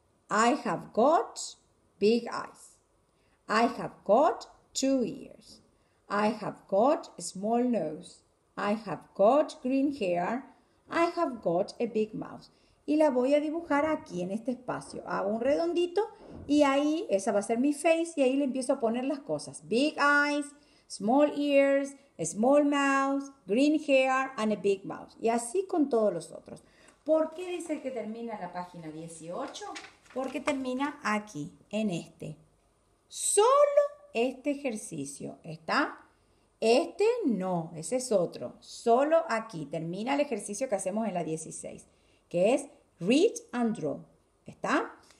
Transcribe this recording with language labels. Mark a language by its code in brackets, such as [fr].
[en] I have got big eyes. I have got two ears. I have got a small nose. I have got green hair. I have got a big mouth. [es] Y la voy a dibujar aquí en este espacio. Hago un redondito y ahí, esa va a ser mi face, y ahí le empiezo a poner las cosas. [en] Big eyes, small ears, a small mouth, green hair and a big mouth. [es] Y así con todos los otros. ¿Por qué dice que termina la página 18? Porque termina aquí, en este. Solo este ejercicio, ¿está? Este no, ese es otro. Solo aquí termina el ejercicio que hacemos en la 16, que es [en] read and draw, [es] ¿está?